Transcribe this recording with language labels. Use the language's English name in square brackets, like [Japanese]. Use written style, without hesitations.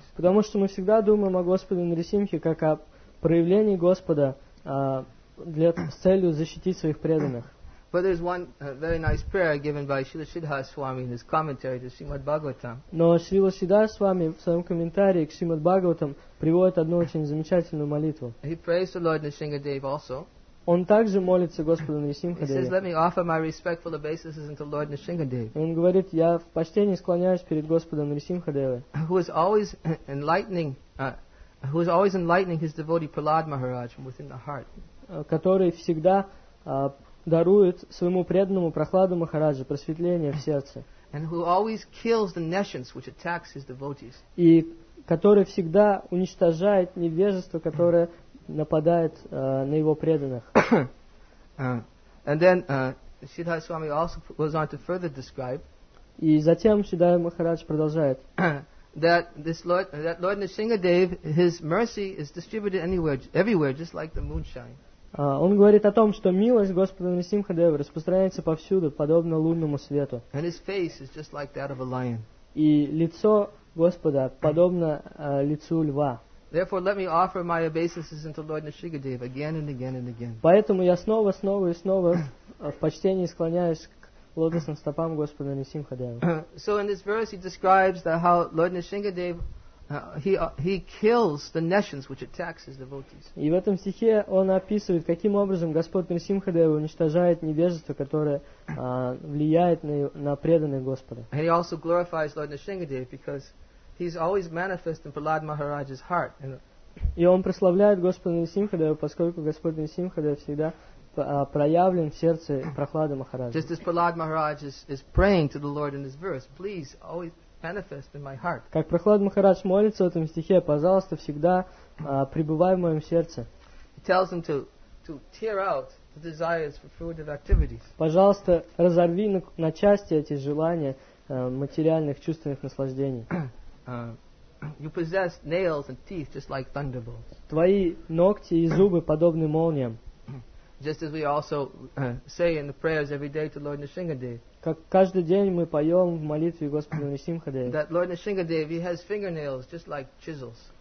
[Russian] Потому что мы всегда думаем о Господе Нрисимхе как о проявлении Господа с целью защитить своих преданных. [English] But there's one very nice prayer given by Srila Siddhar Swami in his commentary to Srimad Bhagavatam. [Russian] Но Srila Siddhar Swami в своем комментарии к Srimad Bhagavatam приводит одну очень замечательную молитву. [English] He prays to Lord Nrisimhadev also. [Russian] Он также молится Господу Нарисимхадеве. [English] He says, "Let me offer my respectful obeisances unto Lord Nrisimhadev." [Russian] Он говорит, я в почтении склоняюсь перед Господом Нарисимхадеве. [English] Who is always enlightening his devotee Prahlad Maharaj from within the heart. [Russian] Который всегда дарует своему преданному Прохладу Махараджу просветление в сердце. [English] And who always kills the nations which attacks his devotees. [Russian] И который всегда уничтожает невежество, которое нападает на его преданных. [English] And then Sridhar Swami also goes on to further describe. [Russian] И затем Сридхар Махарадж продолжает. [English] That this Lord, that Lord Nrisimhadev, his mercy is distributed anywhere, everywhere, just like the moonshine. [Russian] Он говорит о том, что милость Господа Нрисимхадева распространяется повсюду, подобно лунному свету. [English] And his face is just like that of a lion. [Russian] И лицо Господа подобно лицу льва. [English] Therefore, let me offer my obeisances unto Lord Nrisimhadev again and again and again. [Russian] Поэтому я снова, снова и снова в почтении склоняюсь к лотосным стопам Господа Нрисимхадева. [English] So in this verse he describes that how Lord Nrisimhadev he kills the nations which attacks his devotees. [Russian] И в этом стихе он описывает, каким образом Господь Нрисимхадева уничтожает невежество, которое влияет на преданных Господа. [English] And he also glorifies Lord Nrisimhadev because he's always manifest in Prahlad Maharaj's heart. [Russian] И он прославляет Господа Нрисимхадева, поскольку Господь Нрисимхадев всегда проявлен в сердце Прохлады Махараджа. [English] Just as Prahlad Maharaj is praying to the Lord in this verse, please always manifest in my heart. [Russian] Как Прохлад Махарадж молится в этом стихе, пожалуйста, всегда пребывай в моем сердце. [English] He tells him to tear out the desires for fruitive activities. [Russian] Пожалуйста, разорви на части эти желания материальных чувственных наслаждений. [English] You possess nails and teeth just like thunderbolts. [Russian] Твои ногти и зубы подобны молниям. [English] Just as we also say in the prayers every day to Lord Nrisimhadev. [Russian] Как каждый день мы поем в молитве Господу Нрисимхадеве. [English] That Lord Nrisimhadev, he has fingernails just like chisels.